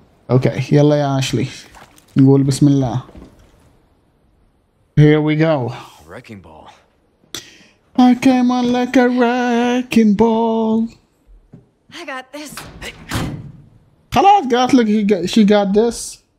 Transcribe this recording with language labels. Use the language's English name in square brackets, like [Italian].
[Arabic] اوكي يلا يا اشلي نقول بسم الله. [English] Here we go. Wrecking ball. I came on like a wrecking ball. I got this. [Arabic] خلاص قالت لك [English] she got this.